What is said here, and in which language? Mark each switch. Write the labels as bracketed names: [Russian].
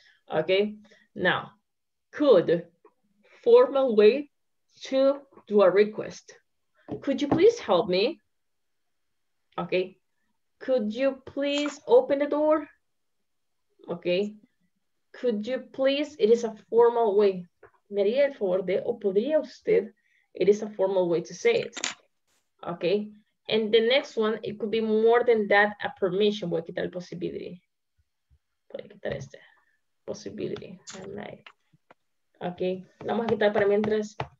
[English] Okay, now, could, formal way to do a request. Could you please help me? Okay, could you please open the door? Okay, could you please, it is a formal way. [Spanish] ¿Me haría el favor de, o podría usted? [English] It is a formal way to say it, okay? And the next one, it could be more than that, a permission. [Spanish] Voy a quitar el possibility. Voy a quitar este. Possibility. Like. Okay. Vamos a quitar para mientras.